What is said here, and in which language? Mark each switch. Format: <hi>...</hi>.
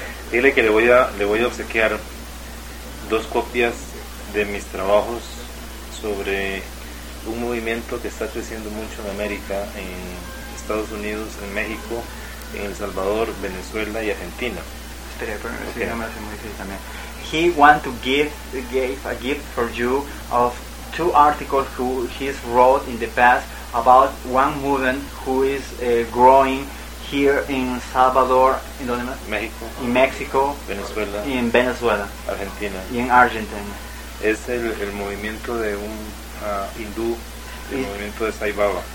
<es>Dile que le voy a obsequiar dos copias de mis trabajos sobre un movimiento que está creciendo mucho en América, en Estados Unidos, en México, en El Salvador, Venezuela y Argentina. Espera, pero okay. Sí, me hace muy feliz también.</es> <en>He want to give a gift for you of two articles who he's wrote in the past about one movement who is growing here in Salvador, in Mexico, in Mexico, Venezuela, in Venezuela, Argentina, in Argentina.</en> <es>Es el movimiento de un hindú, movimiento de Sai Baba.</es>